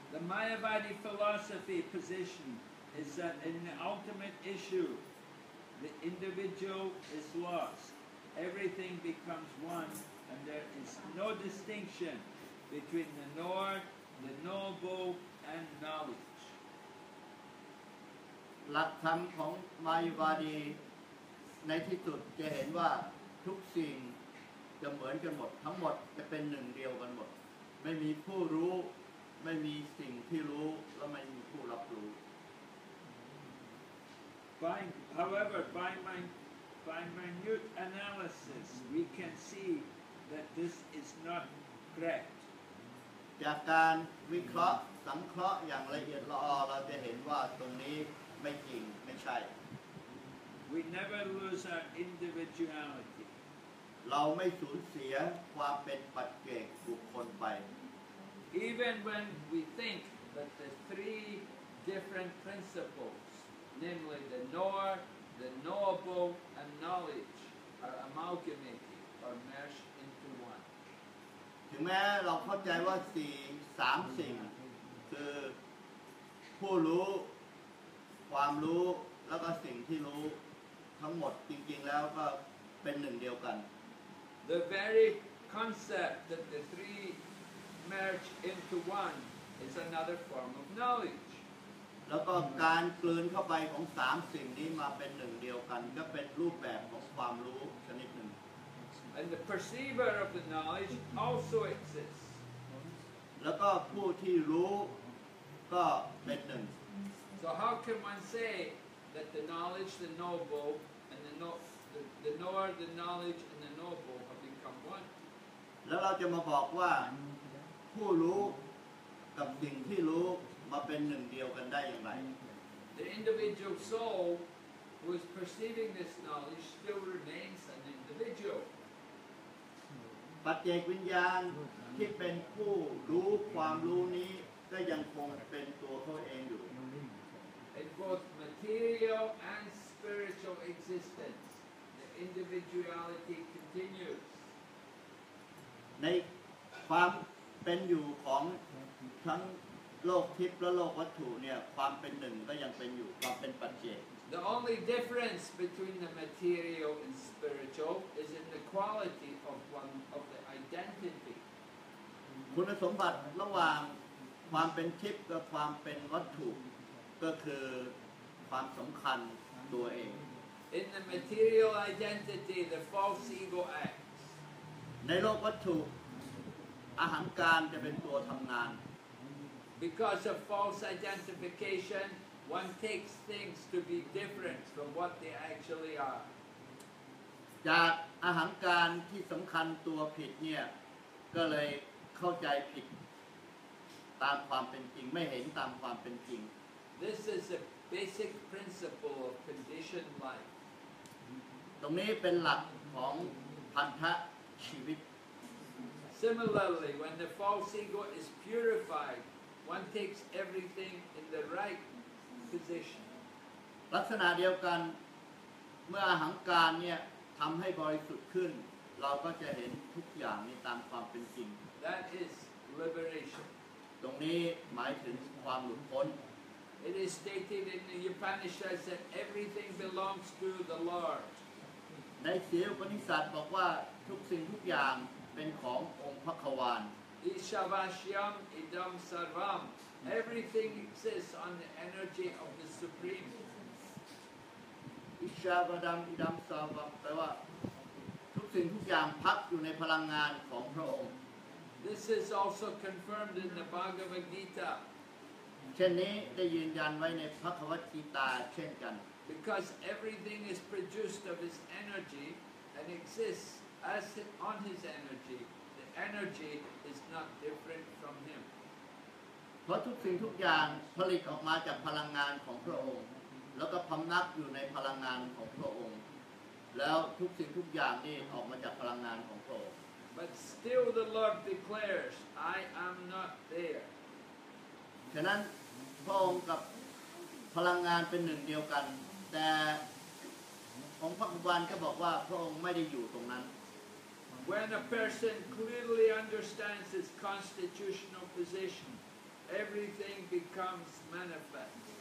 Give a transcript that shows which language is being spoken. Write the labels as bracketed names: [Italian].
[English] The Mayavadi philosophy position is that in the ultimate issue the individual is lost everything becomes one and there is no distinction between the knower the knowable and knowledge [Thai] หลักธรรมของมายาวาดีในที่สุดจะเห็นว่าทุกสิ่งจะเหมือนกันหมดทั้งหมดจะเป็นหนึ่งเดียวกันหมดไม่มีผู้รู้ไม่มีสิ่งที่รู้และไม่มีผู้รับรู้ [English] However, by minute analysis we can see that this is not correct [Thai] จากการวิเคราะห์สังเคราะห์อย่างละเอียดละออเราจะเห็นว่าตรงนี้ไม่จริงไม่ใช่ [English] We never lose our individuality [Thai] เราไม่สูญเสียความเป็นปัจเจกบุคคลไป [English] Even when we think that the three different principles namely the knower the knowable and knowledge are amalgamating or merged into one [Thai] ถึงแม้เราเข้าใจว่า3สิ่งคือผู้รู้ความรู้แล้วก็สิ่งที่รู้ทั้งหมดจริงๆแล้วก็ ป็นหนึ่งเดียวกัน [English] The very concept that the three merge into one is another form of knowledge [Thai] แล้วก็การกลืนเข้าไปของ3สิ่งนี้มาเป็นหนึ่งเดียวกันก็เป็นรูปแบบของความรู้ชนิดหนึ่ง [English] And the perceiver of the knowledge also exists [Thai] แล้วก็ผู้ที่รู้ก็เป็นหนึ่ง [English] So how can one say that the knowledge the knowable and the know the knower the knowledge and the knowable have become one [Thai] แล้วเราจะมาบอกว่าผู้รู้กับสิ่งที่รู้มาเป็นหนึ่งเดียวกันได้อย่างไร [English] The individual soul who is perceiving this knowledge still remains an individual [Thai] ปัจเจกวิญญาณที่เป็นผู้รู้ความรู้นี้ก็ยังคงเป็นตัวเขาเองอยู่ [English] In both material and spiritual existence the individuality continues [Thai] ในความเป็นอยู่ของทั้งโลกทิพย์และโลกวัตถุเนี่ยความเป็นหนึ่งก็ยังเป็นอยู่ความเป็นปัจเจก [English] The only difference between the material and spiritual is in the quality of one of the identity [Thai] คุณสมบัติระหว่างความเป็นทิพย์กับความเป็นวัตถุก็คือความสำคัญตัวเอง [English] In the material identity the false ego act [Thai] ในโลกวัตถุอาหังการจะเป็นตัวทำงาน [English] Because of false identification one takes things to be different from what they actually are [Thai] จากอาหังการที่สำคัญตัวผิดเนี่ยก็เลยเข้าใจผิดตามความเป็นจริงไม่เห็นตามความเป็นจริง [English] This is a basic principle of conditioned life [Thai] ตรงนี้เป็นหลักของพันธะ [English] Similarly, when the false ego is purified, one takes everything in the right position. [Thai] ลักษณะเดียวกันเมื่ออาหังการเนี่ยทำให้บริสุทธิ์ขึ้นเราก็จะเห็นทุกอย่างนี้ตามความเป็นจริง [English] That is liberation. [Thai] ตรงนี้หมายถึงความหลุดพ้น [English] It is stated in the Upanishads that everything belongs to the Lord. [Thai] ในเสียวปณิสัตบอกว่าทุกสิ่งทุกอย่างเป็นขององค์พระขวาน [Sanskrit] อิชาวาชยมอิดัมสารวัม [English] everything exists on the energy of the supreme [Sanskrit] อิชาวาดัมอิดัมสารวัม [Thai] แปลว่าทุกสิ่งทุกอย่างพักอยู่ในพลังงานของพระองค์ [English] this is also confirmed in the Bhagavad Gita [Thai] เช่นนี้ได้ยืนยันไว้ในพระคัมภีร์กีตาเช่นกัน [English] Because everything is produced of his energy and exists as on his energy, the energy is not different from him. [Thai] เพราะทุกสิ่งทุกอย่างผลิตออกมาจากพลังงานของพระองค์แล้วก็พำนักอยู่ในพลังงานของพระองค์แล้วทุกสิ่งทุกอย่างนี่ออกมาจากพลังงานของพระองค์ [English] But still the Lord declares, I am not there. [Thai] ฉะนั้นพระองค์กับพลังงานเป็นหนึ่งเดียวกันแต่ของพระบาลก็บอกว่าพระองค์ไม่ได้อยู่ตรงนั้น [English] When a person clearly understands his constitutional position everything becomes manifest